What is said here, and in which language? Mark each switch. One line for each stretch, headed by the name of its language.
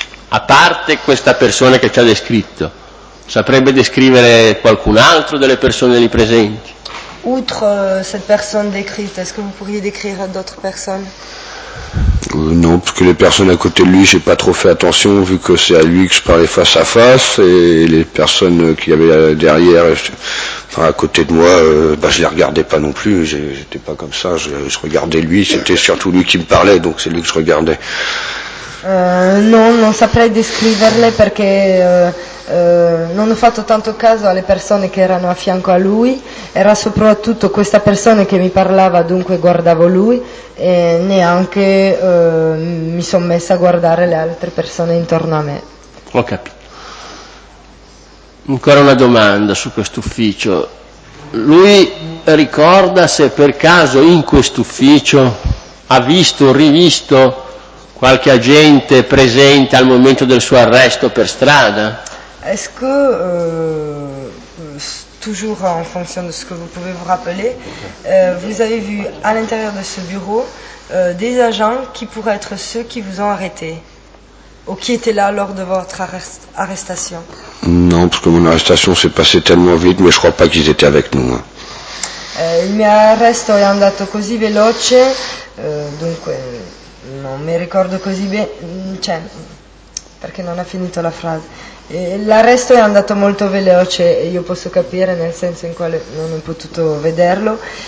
Italian: A parte questa persona che ci ha descritto, saprebbe descrivere qualcun altro delle persone lì presenti?
French: Outre cette personne décrite, est-ce que vous pourriez décrire d'autres personnes? Non, parce que les personnes à côté de lui, j'ai pas trop fait attention, vu que c'est à lui que je parlais face à face, et les personnes qu'il y avait derrière, enfin à côté de moi, je les regardais pas non plus, j'étais pas comme ça, je regardais lui, c'était surtout lui qui me parlait, donc c'est lui que je regardais.
Italian: Non saprei descriverle perché non ho fatto tanto caso alle persone che erano a fianco a lui, era soprattutto questa persona che mi parlava, dunque guardavo lui e neanche mi sono messa a guardare le altre persone intorno a me. Ho capito. Ancora una domanda su quest'ufficio. Lui ricorda se per caso in quest'ufficio ha visto o rivisto qualche agente presente al momento del suo arresto per strada?
French: Est-ce que toujours en fonction de ce que vous pouvez vous rappeler, vous avez vu à l'intérieur de ce bureau des agents qui pourraient être ceux qui vous ont arrêté ou qui étaient là lors de votre arrestation? Non, parce que mon arrestation s'est passée tellement vite, mais je crois pas qu'ils étaient avec nous.
Italian: Il mio arresto è andato così veloce, dunque non mi ricordo così bene, cioè, perché non ha finito la frase. L'arresto è andato molto veloce, io posso capire nel senso in quale non ho potuto vederlo.